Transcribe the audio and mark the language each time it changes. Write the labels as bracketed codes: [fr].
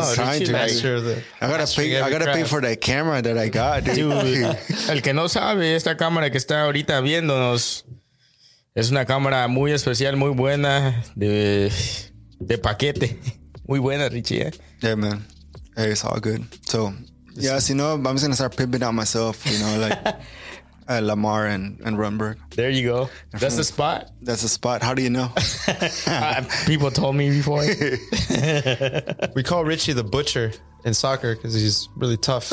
[en] I gotta pay for that camera that I got, dude. [es] El que no sabe, esta cámara que está ahorita viéndonos es una cámara muy especial, muy buena, de paquete. Muy buena, Richie. [en] Yeah, man. Hey, it's all good. So, yeah, so, you know, I'm just gonna start pimping out myself, you know, like Lamar and Rundberg. There you go. That's the spot. That's the spot. How do you know? People told me before. We call Richie the butcher in soccer because he's really tough.